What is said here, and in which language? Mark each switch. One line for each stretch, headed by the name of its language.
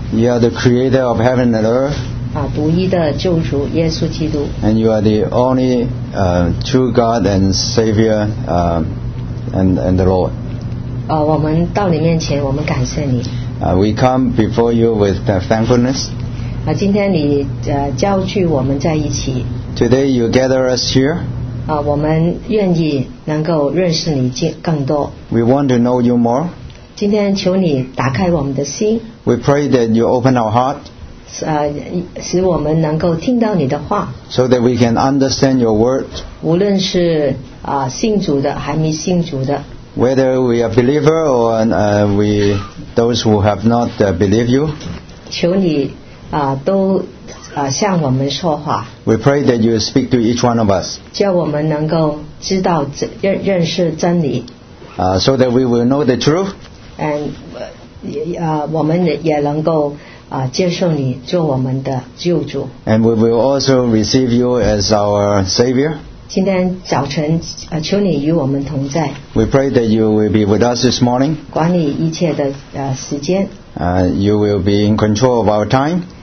English: You are the creator of heaven and earth.
Chinese: 独一的救主耶稣基督。
English: And you are the only true God and Savior and the Lord.
Chinese: 我们到你面前，我们感谢你。
English: We come before you with thankfulness.
Chinese: 今天你召聚我们在一起。
English: Today you gather us here.
Chinese: 我们愿意能够认识你更多。
English: We want to know you more.
Chinese: 今天求你打开我们的心。
English: We pray that you open our heart.
Chinese: 使我们能够听到你的话。
English: So that we can understand your word.
Chinese: 无论是信主的，还没信主的。
English: Whether we are believer or we those who have not believe you,
Chinese: 求你都向我们说话。
English: We pray that you speak to each one of us,
Chinese: 叫我们能够知道认识真理。
English: So that we will know the truth,
Chinese: and 我们也能够接受你做我们的救主。
English: And we will also receive you as our savior.
Chinese: 今天早晨求你与我们同在。
English: We pray that you will be with us this morning.
Chinese: 管理一切的时间。
English: You will be in control of our time.